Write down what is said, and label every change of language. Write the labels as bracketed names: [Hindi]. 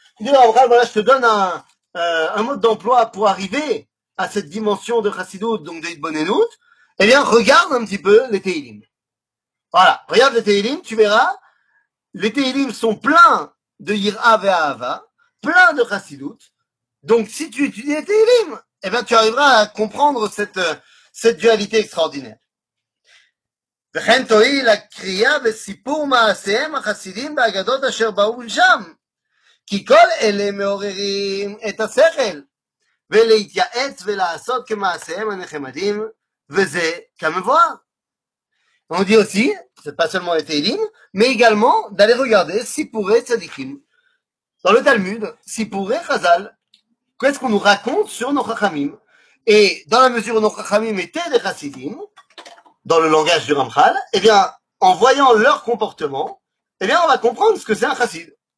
[French] Voilà, je te donne un mode d'emploi pour arriver à cette dimension de chassidut, donc d'Itbonenut, eh bien, regarde un petit peu les Tehilim. Voilà, regarde les Tehilim, tu verras, les Tehilim sont pleins de Yir'a ve'ahava, pleins de chassidut, donc si tu étudies les Tehilim, eh bien, tu arriveras à comprendre cette dualité extraordinaire. [Hebrew] וכן תועיל הקריאה וסיפור מעשיהם החסידים באגדות אשר באו שם, כי כל אלה מעוררים את השכל, ולהתייעץ ולעשות כמעשיהם הנחמדים, וזה כמבואר. [French] On dit aussi, c'est pas seulement les Tehillim, mais également d'aller regarder Sipuré Tzadikim. Dans le Talmud, Sipuré Chazal, qu'est-ce qu'on nous raconte sur nos Chachamim? Et dans la mesure où nos Chachamim étaient des Chassidim, dans le langage du Ramchal, eh bien, en voyant leur comportement, eh bien, on va comprendre ce que c'est un Chassid.